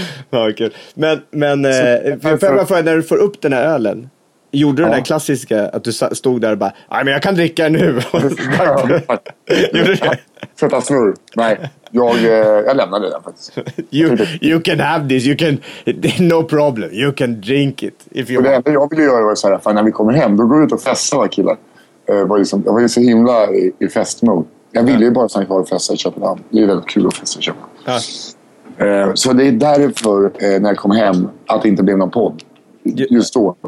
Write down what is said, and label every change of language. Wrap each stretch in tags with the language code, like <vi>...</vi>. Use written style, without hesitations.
<sv>Ja, kul. Men för när du får upp den här ölen, gjorde du den där klassiska att du stod där och bara, nej men jag kan dricka nu. Gjorde du det? Sätta snur. Nej, jag lämnade den faktiskt.</sv> <en>You can have this, you can, no problem, you can drink it. If you</en> <sv>det enda jag ville göra var så här, när vi kommer hem, då går du ut och festar, va killar. Jag var ju så himla i festmod. Jag ville ju bara stanna kvar och festa i Köpenhamn. Det är väldigt kul att festa i Köpenhamn. Ja. Så det är därför när jag kom hem att det inte blev någon podd. Just då.</sv>